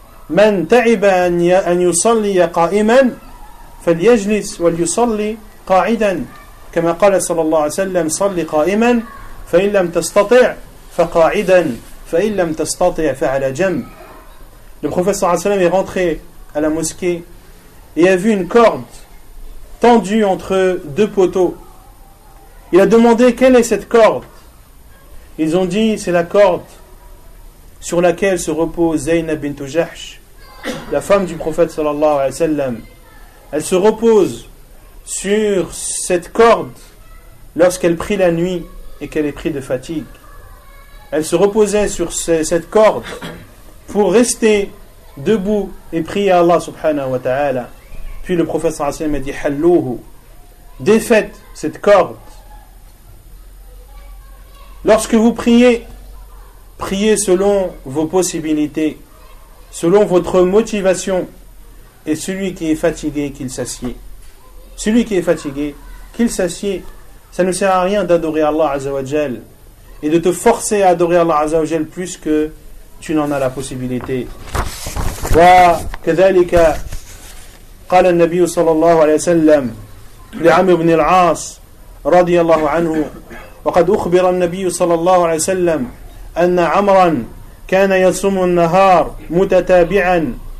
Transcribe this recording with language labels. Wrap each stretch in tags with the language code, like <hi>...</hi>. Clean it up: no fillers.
<ar>من تعب أن يصلي قائما فليجلس وليصلي قاعدا كما قال صلى الله عليه وسلم صلي قائما فإن لم تستطع فقاعدا فإن لم تستطع فعلى جنب</ar> <fr>Le prophète صلى الله عليه وسلم est rentré à la mosquée et a vu une corde tendue entre deux poteaux. Il a demandé quelle est cette corde. Ils ont dit c'est la corde sur laquelle se repose Zaynab bint Jahsh, la femme du prophète sallallahu alayhi wa sallam. Elle se repose sur cette corde lorsqu'elle prie la nuit et qu'elle est prise de fatigue. Elle se reposait sur cette corde pour rester debout et prier à Allah subhanahu wa ta'ala. Puis le prophète sallallahu alayhi wa sallam a dit halluhu, défaites cette corde. Lorsque vous priez, priez selon vos possibilités, selon votre motivation, et celui qui est fatigué, qu'il s'assied. Celui qui est fatigué, qu'il s'assied. Ça ne sert à rien d'adorer Allah Azzawajal et de te forcer à adorer Allah Azzawajal plus que tu n'en as la possibilité.</fr> <ar>Wa kadhalika qala an-nabi sallallahu alayhi wa sallam li 'Amr ibn al-'As radiyallahu anhu وقد أخبر النبي صلى الله عليه وسلم أن عمرا كان يصوم النهار متتابعا</ar>